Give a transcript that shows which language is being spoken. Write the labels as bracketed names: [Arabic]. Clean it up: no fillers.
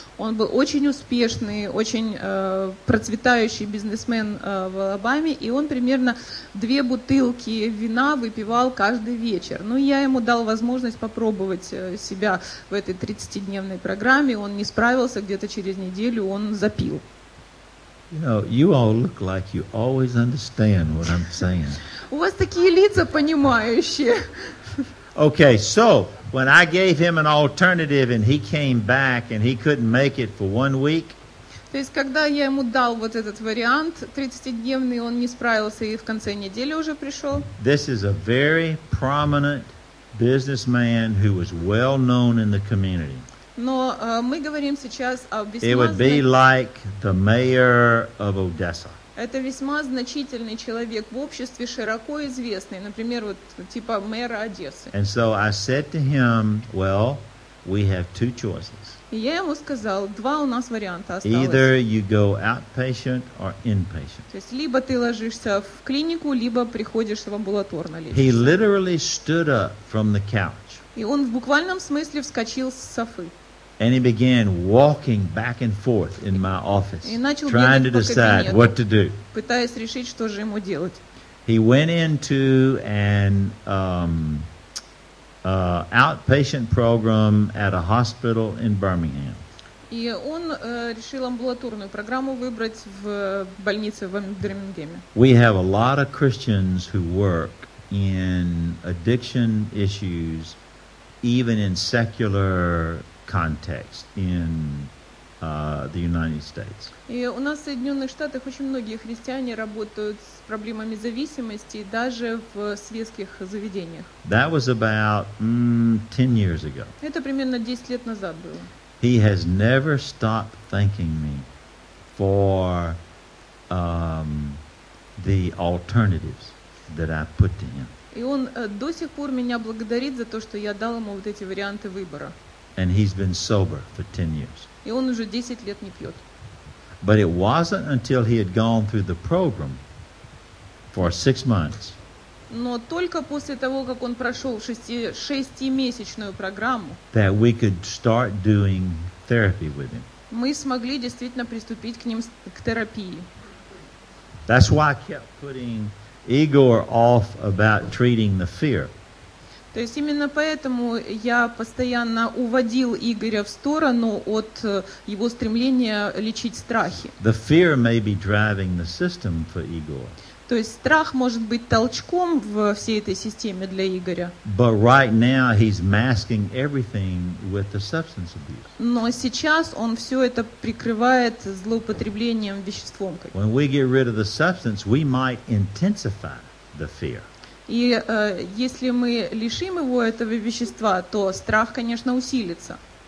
[Russian] Он был очень успешный, очень процветающий бизнесмен в Алабаме, и он примерно 2 бутылки вина выпивал каждый вечер. Ну, я ему дал возможность попробовать себя в этой 30-дневной программе. Он не справился, где-то через неделю он запил. [English] You know, you all look like you always understand what I'm saying. [Russian] У вас такие лица понимающие. [English] Okay, so when I gave him an alternative and he came back and he couldn't make it for 1 week. [Russian] То есть когда я ему дал вот этот вариант 30-дневный, он не справился и в конце недели уже пришел. [English] This is a very prominent businessman who was well known in the community. [Russian] Но мы говорим сейчас о весьма [English] It would be like the mayor of Odessa. [Russian] Это весьма значительный человек в обществе, широко известный, например, вот типа мэра Одессы. [English] And so I said to him, well, we have 2 choices. [Russian] И я ему сказал, 2 у нас варианта осталось. [English] Either you go outpatient or inpatient. [Russian] То есть либо ты ложишься в клинику, либо приходишь в амбулаторно лечиться. [English] He literally stood up from the couch. [Russian] И он в буквальном смысле вскочил с софы. [English] And he began walking back and forth in my office, trying to decide what to do. [Russian] Пытаясь решить, что же ему делать. [English] He went into an outpatient program at a hospital in Birmingham. [Russian] И он решил амбулаторную программу выбрать в больнице в Бирмингеме. [English] We have a lot of Christians who work in addiction issues. Even in secular context in the United States. [Russian] И у нас в Соединенных Штатах очень многие христиане работают с проблемами зависимости даже в светских заведениях. [English] That was about 10 years ago. [Russian] Это примерно 10 лет назад было. [English] He has never stopped thanking me for the alternatives that I put to him. [Russian] И он до сих пор меня благодарит за то, что я дал ему вот эти варианты выбора. [English] And he's been sober for 10 years. [Russian] И он уже 10 лет не пьет. [English] But it wasn't until he had gone through the program for 6 months. [Russian] Но только после того, как он прошел 6-месячную программу, [English] that we could start doing therapy with him. [Russian] Мы смогли действительно приступить к ним к терапии. [English] That's why I kept putting Igor off about treating the fear. [Russian] То есть именно поэтому я постоянно уводил Игоря в сторону от его стремления лечить страхи. [English] The fear may be driving the system for Igor. [Russian] То есть страх может быть толчком в всей этой системе для Игоря. [English] But right now he's masking everything with the substance abuse. [Russian] Но сейчас он все это прикрывает злоупотреблением веществом. [English] When we get rid of the substance, we might intensify the fear. [Russian] И если мы лишим его этого вещества, то страх, конечно, усилится.